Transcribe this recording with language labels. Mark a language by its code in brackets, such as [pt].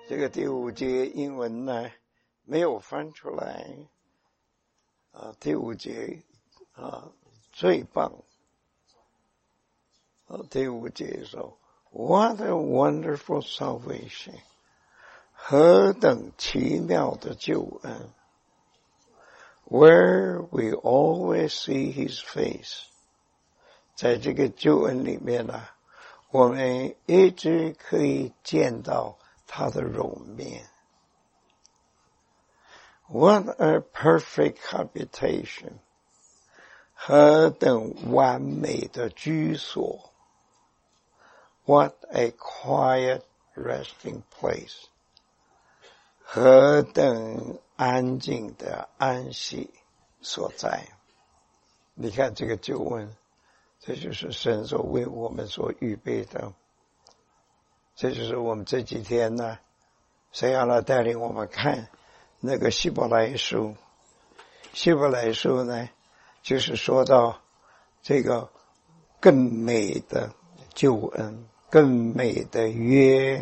[zh] 第五节英文呢没有翻出来啊，第五节啊最棒啊，第五节说 [en] What a wonderful salvation， [zh] 何等奇妙的救恩。 [en] Where we always see his face， [zh] 在这个救恩里面呢，我们一直可以见到他的容面。 [en] What a perfect habitation， [zh] 何等完美的居所。 [en] What a quiet resting place， [zh] 何等安静的安息所在。你看这个救恩，这就是神所为我们所预备的。这就是我们这几天呢，神要来带领我们看那个希伯来书。希伯来书呢，就是说到这个更美的救恩，更美的约。